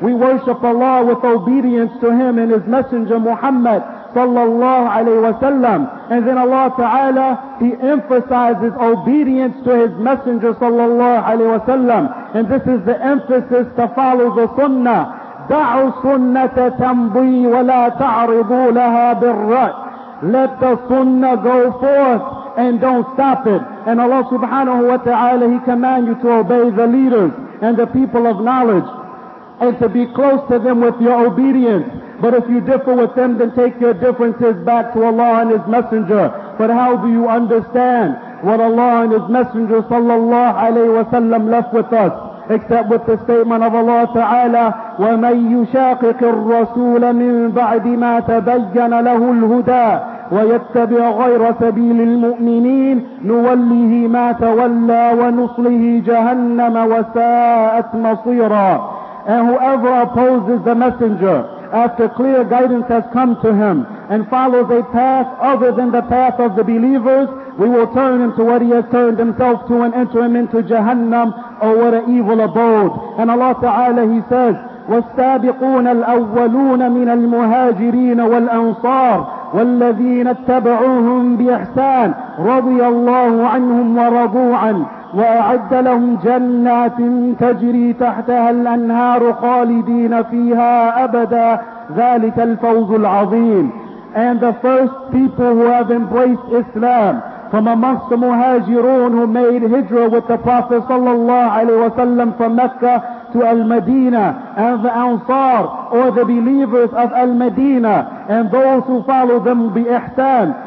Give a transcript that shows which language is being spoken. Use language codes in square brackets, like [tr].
[en] We worship Allah with obedience to Him and His Messenger Muhammad sallallahu alayhi wa sallam. And then Allah Ta'ala, He emphasizes obedience to His Messenger sallallahu alayhi wa sallam. And this is the emphasis to follow the Sunnah. [ar] دعوا سنة تمضي ولا تعرضوا لها بالرأي. [en] Let the sunnah go forth and don't stop it. And Allah subhanahu wa ta'ala, He command you to obey the leaders and the people of knowledge and to be close to them with your obedience. But if you differ with them, then take your differences back to Allah and His Messenger. But how do you understand what Allah and His Messenger sallallahu alayhi wa sallam left with us? Except with the statement of Allah Ta'ala, [ar] وَمَنْ يُشَاقِقِ الرَّسُولَ مِنْ بَعْدِ مَا تَبَيَّنَ لَهُ الْهُدَى وَيَتَّبِعَ غَيْرَ سَبِيلِ الْمُؤْمِنِينَ نُوَلِّهِ مَا تَوَلَّى وَنُصْلِهِ جَهَنَّمَ وَسَاءَتْ مَصِيرًا. [en] And whoever opposes the Messenger after clear guidance has come to him and follows a path other than the path of the believers, we will turn him to what he has turned himself to and enter him into Jahannam, or what an evil abode. And Allah Ta'ala, He says, [ar] وَالسَّابِقُونَ الْأَوَّلُونَ مِنَ الْمُهَاجِرِينَ وَالْأَنصَارِ والذين اتبعوهم بإحسان رضي الله عنهم ورضوا عنه وأعد لهم جنات تجري تحتها الأنهار خالدين فيها أبدا ذلك الفوز العظيم. [en] And the first people who have embraced Islam from amongst the Muhajirun who made Hijra with the Prophet sallallahu alaihi wasallam from Mecca to Al-Madinah, and the Ansar or the believers of Al-Madinah, and those who follow them bi ihsan,